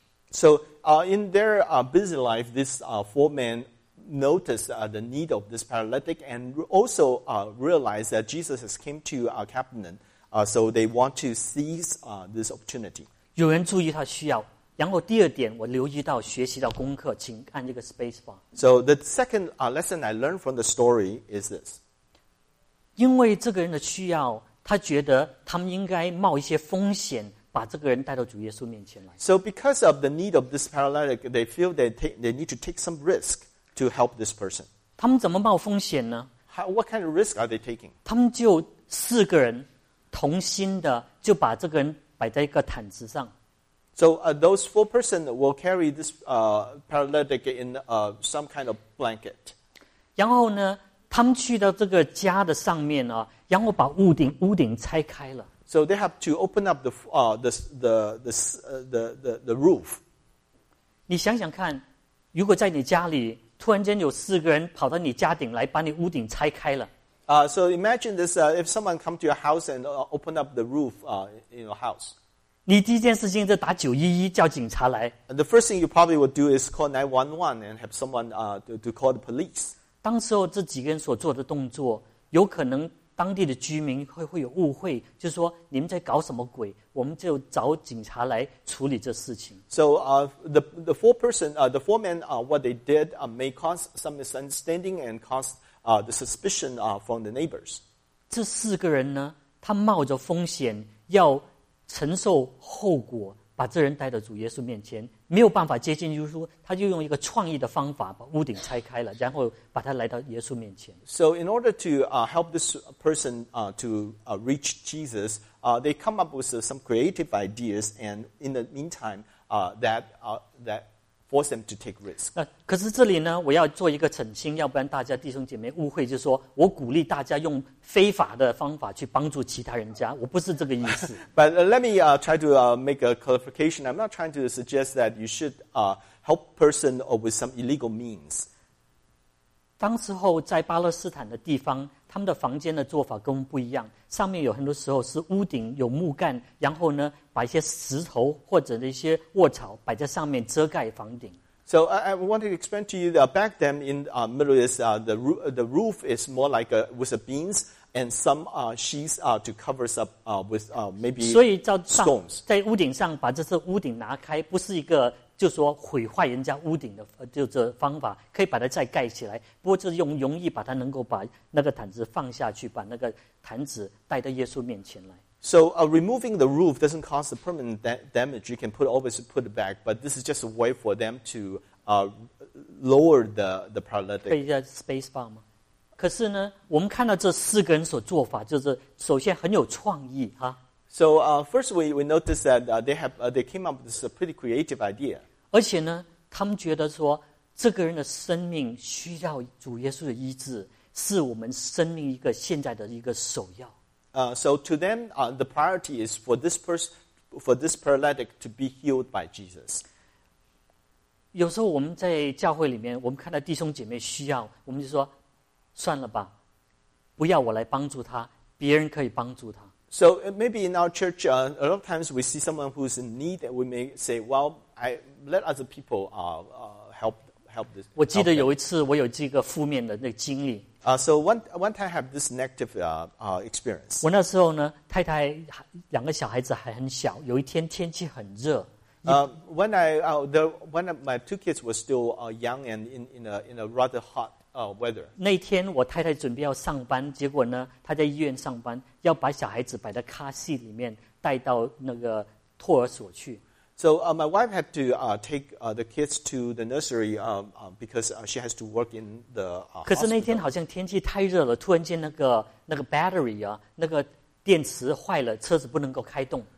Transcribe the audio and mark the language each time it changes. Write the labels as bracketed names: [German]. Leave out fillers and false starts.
[English] So in their busy life, these four men noticed the need of this paralytic and also realized that Jesus has came to Capernaum. So they want to seize this opportunity. [Chinese] 有人注意他需要。然后第二点我留意到学习到功课请按这个 space bar. [English] So the second lesson I learned from the story is this. [Chinese] 因为这个人的需要他觉得他们应该冒一些风险把这个人带到主耶稣面前来。 [English] So because of the need of this paralytic, they feel they need to take some risk to help this person. [Chinese] 他们怎么冒风险呢？ [English] What kind of risk are they taking? [Chinese] 他们就四个人同心的就把这个人摆在一个毯子上。 [English] So those four persons will carry this paralytic in some kind of blanket. [Chinese] 然后呢，他们去到这个家的上面呢，然后把屋顶拆开了。 [English] So they have to open up the roof. [Chinese] 你想想看，如果在你家里突然间有四个人跑到你家顶来，把你屋顶拆开了。 [English] So imagine this: if someone come to your house and open up the roof in your house. [Chinese] 你第一件事情就打911叫警察来。 [English] And the first thing you probably would do is call 911 and have someone to call the police. [Chinese] 当时候这几个人所做的动作，有可能。当地的居民会有误会，就是说你们在搞什么鬼？我们就找警察来处理这事情。 [English] So the four men what they did may cause some misunderstanding and cause the suspicion from the neighbors. [Chinese] 这四个人呢，他冒着风险要承受后果，把这人带到主耶稣面前，没有办法接近耶稣，他就用一个创意的方法把屋顶拆开了，然后把他来到耶稣面前。 [English] So in order to help this person reach Jesus, they come up with some creative ideas, and in the meantime, that force them to take risk. [Chinese] 可是这里呢，我要做一个澄清，要不然大家弟兄姐妹误会，就是说我鼓励大家用非法的方法去帮助其他人家，我不是这个意思。 [English] But let me try to make a clarification. I'm not trying to suggest that you should help person with some illegal means. [Chinese] 当时候在巴勒斯坦的地方，他们的房间的做法跟我们不一样，上面有很多时候是屋顶有木干，然后呢把一些石头或者一些卧草摆在上面遮盖房顶。 [English] So I wanted to explain to you that back then in Middle East, the roof is more like with a beams and some sheets to cover up with maybe stones. [Chinese] 在屋顶上把这些屋顶拿开，不是一个就说毁坏人家屋顶的就这方法，可以把它再盖起来。不过这用容易把它能够把那个毯子放下去，把那个毯子带到耶稣面前来。 [English] So removing the roof doesn't cause the permanent damage. You can always put it back, but this is just a way for them to lower the paralytic. [Chinese] 被叫 space bar 吗？可是呢，我们看到这四个人所做法，就是首先很有创意哈。 [English] So first we noticed that they came up with this pretty creative idea. [Chinese] 而且呢，他们觉得说这个人的生命需要主耶稣的医治，是我们生命一个现在的一个首要。 [English] So to them, the priority is for this person, for this paralytic to be healed by Jesus. [Chinese] 有时候我们在教会里面，我们看到弟兄姐妹需要，我们就说，算了吧，不要我来帮助他，别人可以帮助他。 [English] So maybe in our church, a lot of times we see someone who's in need, and we may say, well, I let other people help this. [Chinese] 我记得有一次我有这个负面的那个经历。 [English] So one time I have this negative experience. [Chinese] 我那时候呢，太太两个小孩子还很小。有一天天气很热。 [English] When my two kids were still young and in a rather hot weather. [Chinese] 那天我太太准备要上班，结果呢，她在医院上班，要把小孩子摆在卡西里面带到那个托儿所去。 [English] So my wife had to take the kids to the nursery because she has to work in the hospital. [Chinese] 可是那天好像天气太热了，突然间那个 battery 啊，那个电池坏了，车子不能够开动。